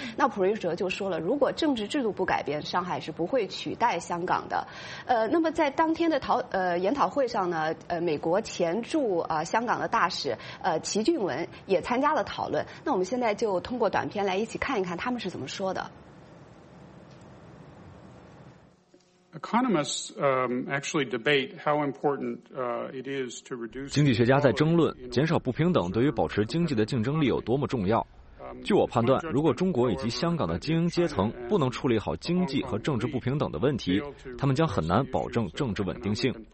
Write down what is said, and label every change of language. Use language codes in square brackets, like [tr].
[zh] 那普瑞卓就说了，如果政治制度不改变，上海是不会取代香港的。那么在当天的研讨会上呢，美国前驻香港的大使齐俊文也参加了讨论。那我们现在就通过短片来一起看一看他们是怎么说的。 [en] Economists actually debate how important it is to reduce. [zh] 经济学家在争论，减少不平等对于保持经济的竞争力有多么重要。据我判断，如果中国以及香港的精英阶层不能处理好经济和政治不平等的问题，他们将很难保证政治稳定性。